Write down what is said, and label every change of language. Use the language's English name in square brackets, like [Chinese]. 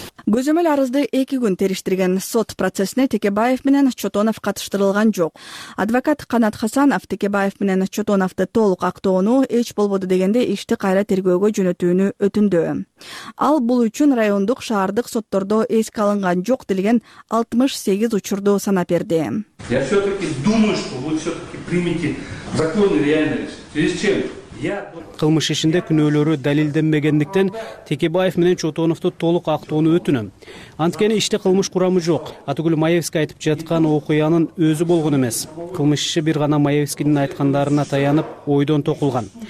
[Kyrgyz] Көзөмөл арызды 2 күн териштирген сот процессине Текебаев менен Чотонов катыштырылган жок. Адвокат Канат Хасанов Текебаев менен Чотоновду толук актоону эч болбоду дегенде ишти кайра тергөөгө жөнөтүүнү өтүндү. Ал бул үчүн райондук, шаардык соттордо эске алынган жок делген 68 учурду санап берди. [Russian] Я все-таки думаю, что вы все-таки примите законы реальные. В связи с чем? [Kyrgyz] Кылмыш ишинде күнөөлөрү далилденбегендиктен Текебаев менен Чотоновду толук актоону өтүнөм. Анткени иште кылмыш курамы жок. Атыгүл Маевский айтып жаткан окуянын өзү болгон эмес. Кылмыш иши бир гана Маевскийдин айткандарына таянып ойдон токулган.